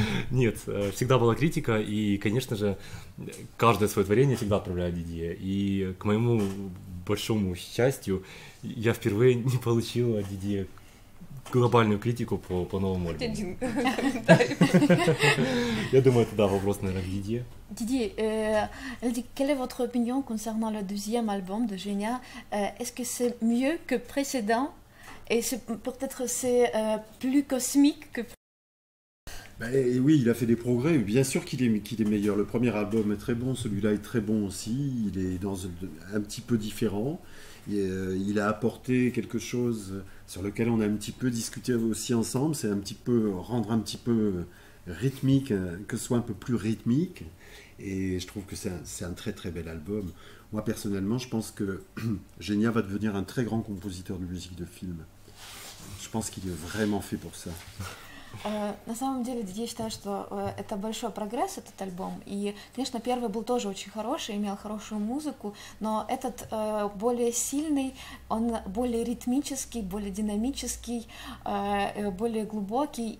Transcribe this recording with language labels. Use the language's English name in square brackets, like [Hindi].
[Russian] Нет, всегда была критика, и, конечно же, каждое свое творение всегда отправляет Дидье, и к моему большому счастью, я впервые не получил от Дидье глобальную критику по новому альбому. Один. Я думаю, это, да, вопрос, наверное, к Дидье. [French] Дидье, elle dit: «Quelle est votre opinion concernant le deuxième album de Genia? Est-ce que c'est mieux que précédent? Et peut-être c'est plus cosmique que...» Ben, oui, il a fait des progrès. Bien sûr qu'il est meilleur. Le premier album est très bon. Celui-là est très bon aussi. Il est dans un petit peu différent. Il a apporté quelque chose sur lequel on a un petit peu discuté aussi ensemble, c'est un petit peu rendre un petit peu rythmique, que ce soit un peu plus rythmique, et je trouve que c'est un très très bel album. Moi personnellement, je pense que Genia va devenir un très grand compositeur de musique de film. Je pense qu'il est vraiment fait pour ça. [Russian] На самом деле, я считаю, что это большой прогресс, этот альбом. И, конечно, первый был тоже очень хороший, имел хорошую музыку, но этот более сильный, он более ритмический, более динамический, более глубокий.